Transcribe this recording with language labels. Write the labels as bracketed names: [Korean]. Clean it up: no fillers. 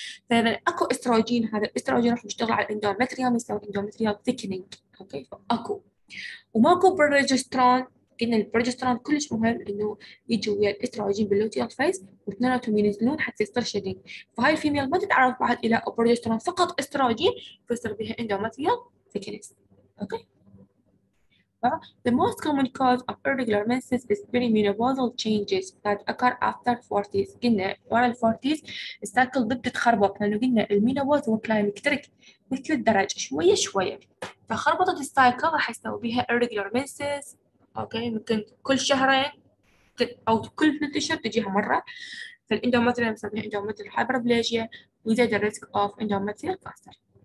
[Arabic] فاذا اكو استروجين هذا الاستروجين راح يشتغل على الاندومتريوم يسوي اندومتريوم ثيكنينج، اوكي فاكو وماكو بروجسترون، قلنا البروجسترون كلش مهم انه يجي ويا الاستروجين باللوتيال فيز واثنيناتهم ينزلون حتى يصير شيدنج، فهاي الفيميل ما تتعرض بعد الى بروجسترون فقط استروجين فيصير بها اندومتريوم ثيكنس، اوكي. [English] The most common cause of irregular menses is perimenopausal changes that occur after 40s. [Arabic] قلنا ورا ال 40s السايكل بتتخربط، لانه قلنا المينوبوز هو كلايمكتريك مثل الدرج شويه شويه، فخربطت السايكل راح يسوي بها irregular menses، اوكي ممكن كل شهرين او كل ثلاث اشهر تجيها مره، فالاندومتريال نسميها اندومتريال هايبربليجيا ويزيد الريسك اوف اندومتريال كانسر.